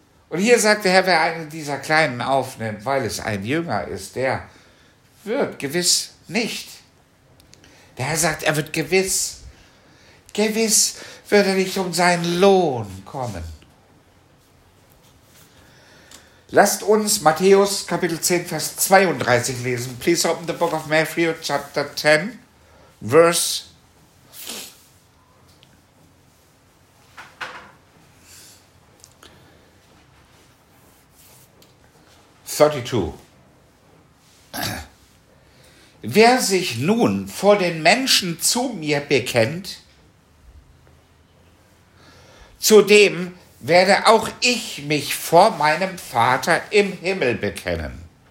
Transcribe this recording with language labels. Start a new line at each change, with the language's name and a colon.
German: Und hier sagt der Herr, wer einen dieser Kleinen aufnimmt, weil es ein Jünger ist, der wird gewiss nicht. Der Herr sagt, er wird gewiss wird er nicht um seinen Lohn kommen. Lasst uns Matthäus Kapitel 10, Vers 32 lesen.
English: Please open the book of Matthew, chapter 10, verse 32.
German: wer sich nun vor den Menschen zu mir bekennt, zu dem werde auch ich mich vor meinem Vater im Himmel bekennen.